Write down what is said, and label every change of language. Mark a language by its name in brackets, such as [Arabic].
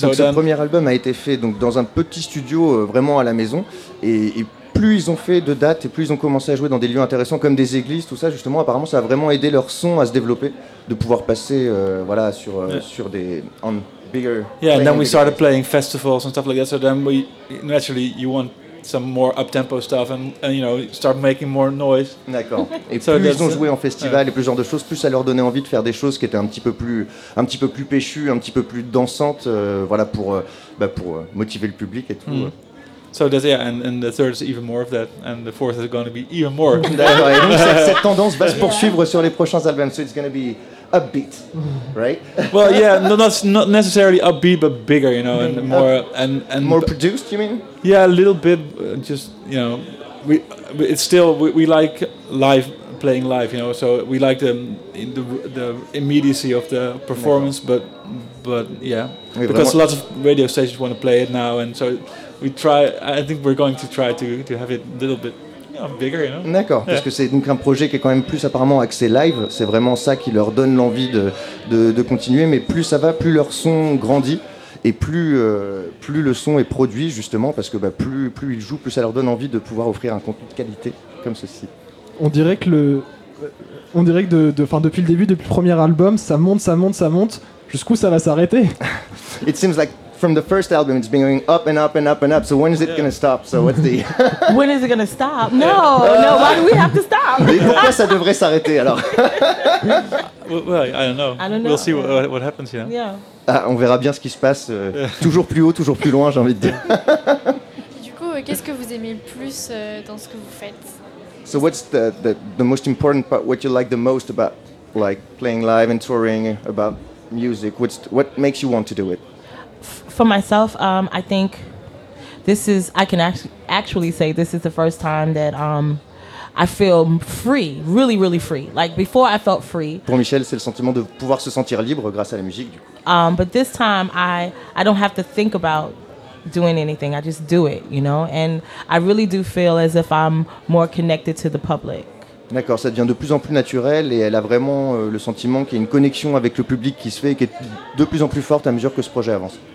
[French] Donc ce premier album a été fait donc dans un petit studio vraiment à la maison et plus ils ont fait de dates et plus ils ont commencé à jouer dans des lieux intéressants comme des églises, tout ça justement apparemment ça a vraiment aidé leur son à se développer de pouvoir passer sur des [English] on bigger. Yeah, and then we started playing festivals and stuff like that. So then we naturally you want some more up-tempo stuff and you know start making more noise. [French] D'accord. Et so plus ils ont joué en festival et plus genre de choses, plus ça leur donnait envie de faire des choses qui étaient un petit peu plus pêchues, un petit peu plus dansantes, pour motiver le public et tout. Mm. [English] So that's yeah, and the third is even more of that, and the fourth is going to be even more. [French] D'accord. Et donc cette tendance va se poursuivre sur les prochains albums. [English] So it's going to be upbeat, right? Well, yeah, no, that's not necessarily upbeat, but bigger, you know, and more and more produced. You mean? Yeah, a little bit. Just you know, we like live playing live, you know. So we like the immediacy of the performance, but yeah, [French] oui, [English] because vraiment. Lots of radio stations want to play it now, and so. We try. I think we're going to try to have it a little bit, you know, bigger, you know. [French] D'accord. Parce que c'est donc un projet qui est quand même plus apparemment axé live. C'est vraiment ça qui leur donne l'envie de continuer. Mais plus ça va, plus leur son grandit et plus le son est produit justement parce que plus ils jouent, plus ça leur donne envie de pouvoir offrir un contenu de qualité comme ceci. On dirait que depuis le début, depuis le premier album, ça monte. Jusqu'où ça va s'arrêter? [English] It seems like. From the first album, it's been going up and up and up and up. So when is it going to stop? So what's the... When is it going to stop? No, no, why do we have to stop? [French] Mais pourquoi ça devrait s'arrêter alors? [English] Well, I don't know. We'll see what happens, you know. Yeah. [French] On verra bien ce qui se passe. Toujours plus haut, toujours plus loin, j'ai envie de dire. Du coup, qu'est-ce que vous aimez le plus dans ce que vous faites? [English] So what's the most important part, what you like the most about like playing live and touring, about music? What makes you want to do it? For myself, I think this is, I can actually say this is the first time that I feel free, really, really free. Like before I felt free. [French] Pour Michel, c'est le sentiment de pouvoir se sentir libre grâce à la musique, du coup. [English] But this time, I don't have to think about doing anything. I just do it, you know? And I really do feel as if I'm more connected to the public. [French] D'accord, ça devient de plus en plus naturel et elle a vraiment le sentiment qu'il y a une connexion avec le public qui se fait et qui est de plus en plus forte à mesure que ce projet avance.